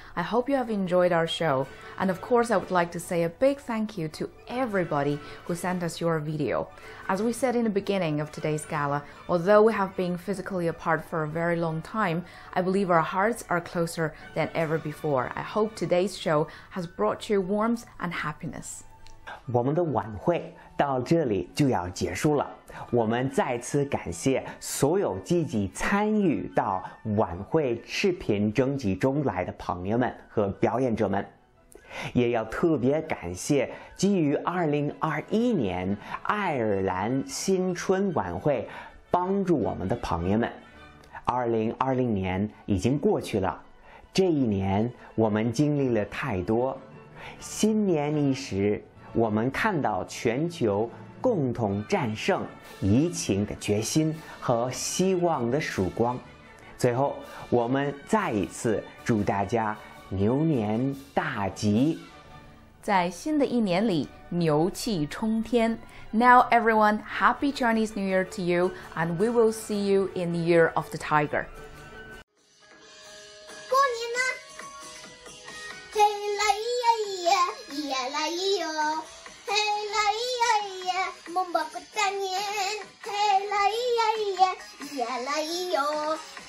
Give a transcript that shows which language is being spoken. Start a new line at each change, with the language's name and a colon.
English: I hope you have enjoyed our show. And of course, I would like to say a big thank you to everybody who sent us your video. As we said in the beginning of today's gala, although we have been physically apart for a very long time, I believe our hearts are closer than ever before. I hope today's show has brought you warmth and happiness.
Chinese: 我们的晚会到这里就要结束了。我们再次感谢所有积极参与到晚会视频征集中来的朋友们和表演者们，也要特别感谢基于2021年爱尔兰新春晚会帮助我们的朋友们。 2020年已经过去了，这一年我们经历了太多，新年伊始，我们看到全球共同战胜疫情的决心和希望的曙光。最后，我们再一次祝大家牛年大吉，在新的一年里牛气冲天。
English: Now everyone, Happy Chinese New Year to you, and we will see you in the Year of the Tiger.
Chinese: 过年呢，天来呀呀，夜来哟，嘿来呀呀，梦不过大年，嘿来呀呀，夜来哟。